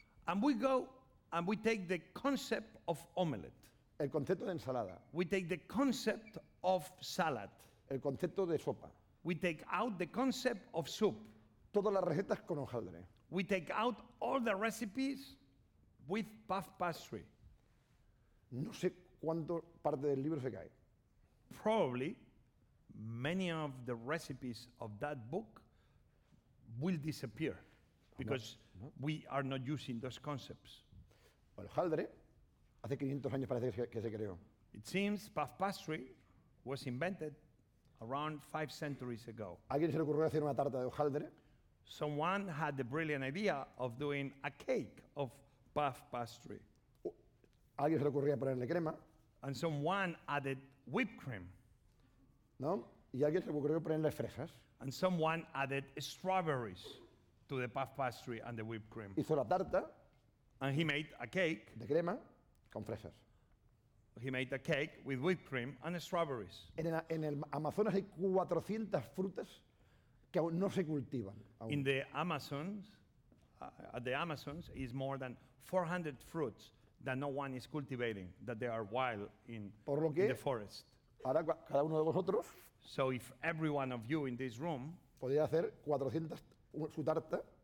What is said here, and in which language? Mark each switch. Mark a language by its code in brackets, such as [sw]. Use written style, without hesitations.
[en] And we go and we take the concept of omelette. [es] El concepto de ensalada. [en] We take the concept of salad. [es] El concepto de sopa. [en] We take out the concept of soup. [es] todas las recetas con hojaldre. [en] We take out all the recipes with puff pastry. [es] No sé cuánto parte del libro se cae. [en] Probably many of the recipes of that book will disappear because we are not using those concepts. [es] El hojaldre hace 500 años parece que se creó. [en] It seems puff pastry was invented around 5 centuries ago. [es] ¿Alguien se le ocurrió hacer una tarta de hojaldre? [en] Someone had the brilliant idea of doing a cake of puff pastry. [es] ¿Alguien se le ocurrió ponerle crema? [en] And someone added whipped cream. [es] ¿No? ¿Y alguien se le ocurrió ponerle fresas? [en] And someone added strawberries to the puff pastry and the whipped cream. [es] Hizo la tarta. [en] And he made a cake. [es] De crema con fresas. [en] He made a cake with whipped cream and strawberries. [es] En el Amazonas hay 400 frutas que aún no se cultivan. Aún. [en] In the Amazons, at the Amazons, is more than 400 fruits that no one is cultivating, that they are wild in, [es] por lo que, [en] in the forest. [es] Ahora cada uno de vosotros. [en] So if every one of you in this room, [es] podría hacer 400 su tarta.